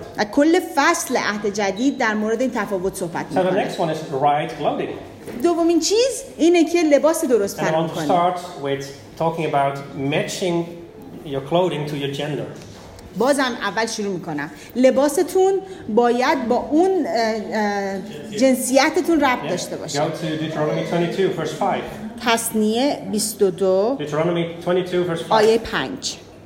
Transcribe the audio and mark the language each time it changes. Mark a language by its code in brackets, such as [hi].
[fa] کل فصل عهد جدید در مورد این تفاوت صحبت میکنه. دومین چیز اینه که لباس درست تر کنه. [en] Talking about matching your clothing to your gender. [fa] بازم اول شروع میکنم. لباستون باید با اون جنسیتتون ربط داشته باشه. [en] Go to Deuteronomy 22 verse 5. [fa] تثنیه 22. [en] Deuteronomy 22 verse 5. [fa] آیه 5.